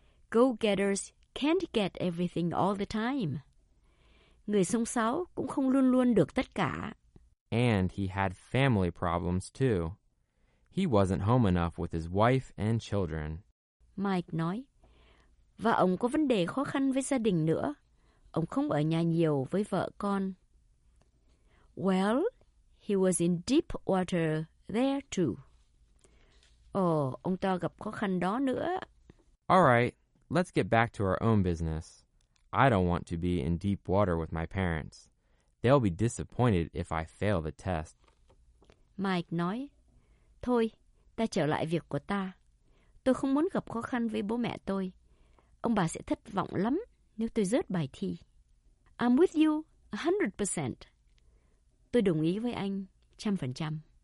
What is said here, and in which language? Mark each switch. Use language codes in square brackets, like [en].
[en] Go-getters can't get everything all the time. [vi] Người sông sáo cũng không luôn luôn được tất cả. [en] And he had family problems too. He wasn't home enough with his wife and children. [vi] Mike nói, và ông có vấn đề khó khăn với gia đình nữa. Ông không ở nhà nhiều với vợ con. [en] Well, he was in deep water there too. [vi] Ồ, ông ta gặp khó khăn đó nữa. [en] All right, let's get back to our own business. I don't want to be in deep water with my parents. They'll be disappointed if I fail the test. [vi] Mike nói, thôi, ta trở lại việc của ta. Tôi không muốn gặp khó khăn với bố mẹ tôi. Ông bà sẽ thất vọng lắm nếu tôi rớt bài thi. [en] I'm with you 100%. [vi] Tôi đồng ý với anh 100%.